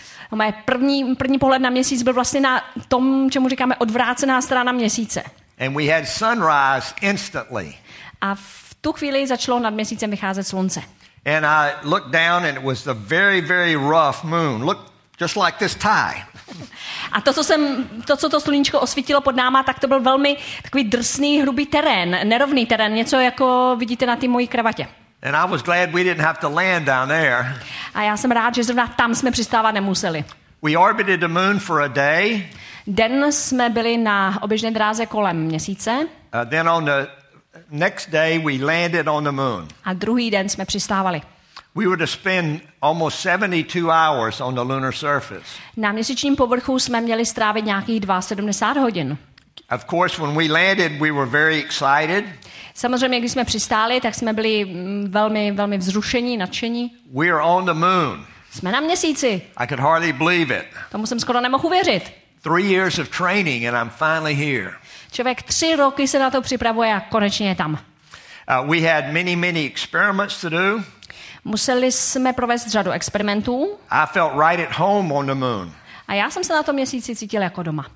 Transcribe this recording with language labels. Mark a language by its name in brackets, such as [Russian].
[Czech] Moje první pohled na měsíc byl vlastně na tom, čemu říkáme odvrácená strana měsíce. [English] And we had sunrise instantly. A v tu chvíli začalo nad měsícem vycházet slunce. And I looked down and it was a very, very rough moon. Look just like this tie. [Czech] A to, co sluníčko osvítilo pod náma, tak to byl velmi takový drsný, hrubý terén, nerovný terén, něco jako vidíte na té mojí kravatě. [English] And I was glad we didn't have to land down there. [Czech] A já jsem rád, že zrovna tam jsme přistávat nemuseli. [English] We orbited the moon for a day. [Czech] Den jsme byli na oběžné dráze kolem měsíce. [English] Then on the next day we landed on the moon. [Czech] A druhý den jsme přistávali. [English] We were to spend almost 72 hours on the lunar surface. [Czech] Na měsíčním povrchu jsme měli strávit nějakých 72 hodin. [English] Of course, when we landed, we were very excited. [Czech] Samozřejmě, když jsme přistáli, tak jsme byli velmi, velmi vzrušení, nadšení. [English] We are on the moon. [Czech] Jsme na měsíci. [English] I could hardly believe it. [Czech] Tomu jsem skoro nemohl uvěřit. [English] 3 years of training and I'm finally here. [Czech] Člověk 3 roky se na to připravuje a konečně je tam. [English] We had many, many experiments to do. [Czech] Museli jsme provést řadu experimentů. [English] I felt right at home on the moon. [Czech] A já jsem se na tom měsíci cítil jako doma.